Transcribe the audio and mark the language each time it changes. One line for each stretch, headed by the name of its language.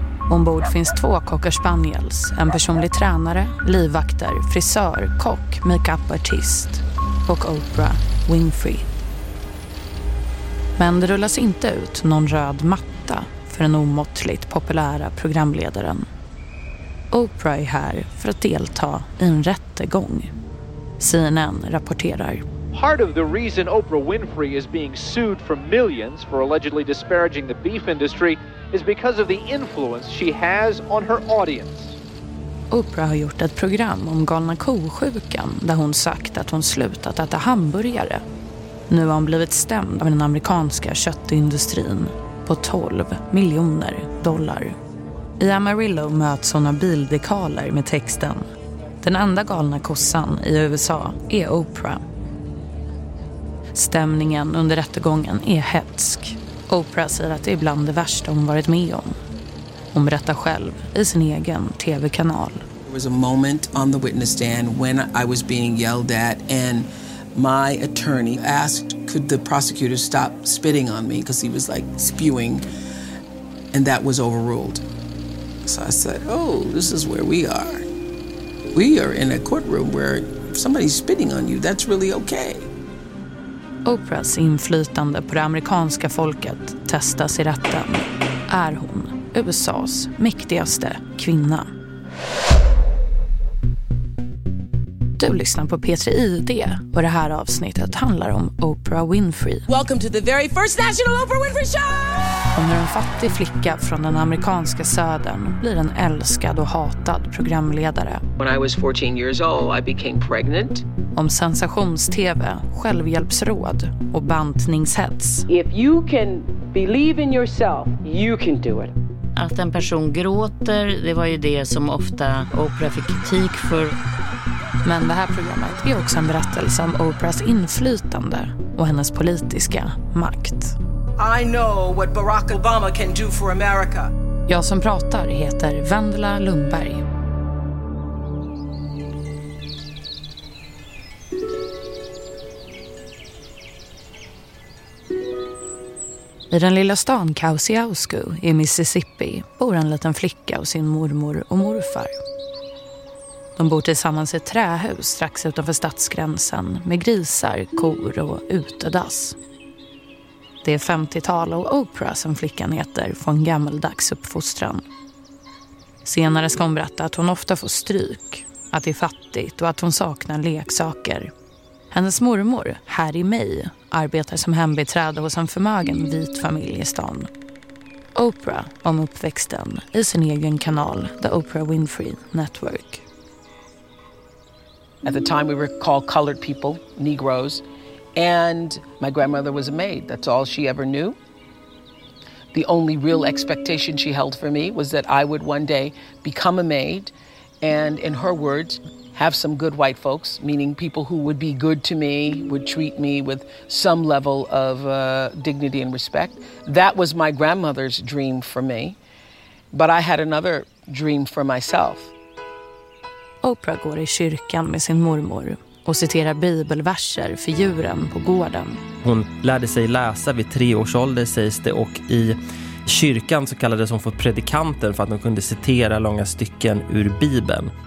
Swedish: Ombord finns två cocker spaniels, en personlig tränare, livvakter, frisör, kock, make-up-artist och Oprah Winfrey. Men det rullas inte ut någon röd matta för den omåttligt populära programledaren. Oprah är här för att delta i en rättegång. CNN rapporterar.
English: Part of the reason Oprah Winfrey is being sued for millions for allegedly disparaging the beef industry is because of the influence she has on her audience.
Swedish: Oprah har gjort ett program om galna kosjukan där hon sagt att hon slutat äta hamburgare. Nu har hon blivit stämd av den amerikanska köttindustrin på 12 miljoner dollar. I Amarillo möts hon av bildekaler med texten. Den enda galna kossan i USA är Oprah. Stämningen under rättegången är hetsk. Oprah säger att det är bland det värsta hon varit med om. Hon berättar själv i sin egen tv-kanal.
English: There was a moment on the witness stand when I was being yelled at and my attorney asked could the prosecutor stop spitting on me because he was like spewing and that was overruled. So I said, "Oh, this is where we are. We are in a courtroom where if somebody's spitting on you, that's really okay."
Swedish: Oprahs inflytande på det amerikanska folket testas i rätten. Är hon USA:s mäktigaste kvinna? Du lyssnar på P3 ID och det här avsnittet handlar om Oprah Winfrey.
English: Welcome to the very first National Oprah Winfrey Show!
Swedish: Hon är en fattig flicka från den amerikanska södern, blir en älskad och hatad programledare.
English: When I was 14 years old, I became pregnant.
Swedish: Om sensations-TV, självhjälpsråd och bantningshets.
English: If you can believe in yourself, you can do it.
Swedish: Att en person gråter, det var ju det som ofta Oprah fick kritik för. Men det här programmet är också en berättelse om Oprahs inflytande och hennes politiska makt.
English: I know what Barack Obama can do for America.
Swedish: Jag som pratar heter Wendla Lundberg. I den lilla stan Kosciuszko i Mississippi bor en liten flicka och sin mormor och morfar. De bor tillsammans i ett trähus strax utanför stadsgränsen med grisar, kor och utedass. Det är 50-tal och Oprah som flickan heter får en gammaldags uppfostran. Senare ska hon berätta att hon ofta får stryk, att det är fattigt och att hon saknar leksaker. Hennes mormor, Harry May, arbetar som hembiträde hos en förmögen vit familj i stan. Oprah om uppväxten i sin egen kanal, The Oprah Winfrey Network.
English: At the time we were called colored people, Negroes, and my grandmother was a maid. That's all she ever knew. The only real expectation she held for me was that I would one day become a maid and, in her words, have some good white folks, meaning people who would be good to me, would treat me with some level of dignity and respect. That was my grandmother's dream for me, but I had another dream for myself.
Swedish: Oprah går i kyrkan med sin mormor och citerar bibelverser för djuren på gården. Hon lärde sig läsa vid 3 års ålder, sägs det, och i kyrkan så kallades hon för predikanten för att hon kunde citera långa stycken ur Bibeln.